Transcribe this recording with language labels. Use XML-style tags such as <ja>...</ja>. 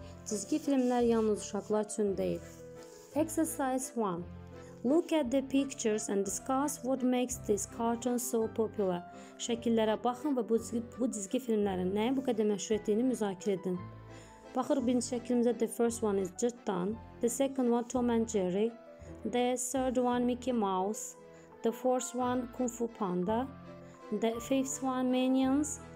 <az>Çizgi filmlər yalnız uşaqlar üçün deyil.</az> <en>Exercise 1. Look at the pictures and discuss what makes this cartoon so popular.</en> <az>Şəkillərə baxın və bu çizgi filmlərin nəyə bu qədər məşhur etdiyini müzakirə edin. Baxır, birinci şəkilimizdə</az> <en>the first one is just done. The second one Tom and Jerry. The third one Mickey Mouse. The fourth one Kung Fu Panda. The fifth one Minions.</en>